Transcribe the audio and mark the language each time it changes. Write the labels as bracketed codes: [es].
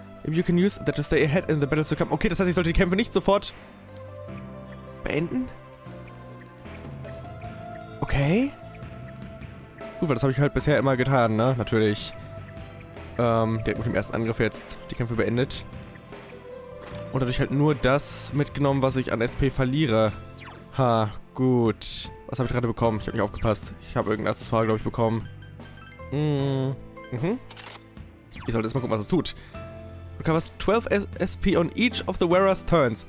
[en] If you can use that to stay ahead in the battles to come. [de] Okay, das heißt, ich sollte die Kämpfe nicht sofort beenden? Okay. Gut, weil das habe ich halt bisher immer getan, ne? Natürlich. Direkt mit dem ersten Angriff jetzt die Kämpfe beendet. Und dadurch halt nur das mitgenommen, was ich an SP verliere. Ha, Gut. Was habe ich gerade bekommen? Ich habe nicht aufgepasst. Ich habe irgendein Accessoire, glaube ich, bekommen. Ich sollte jetzt mal gucken, was es tut. [en] Recovers 12 SP on each of the wearer's turns.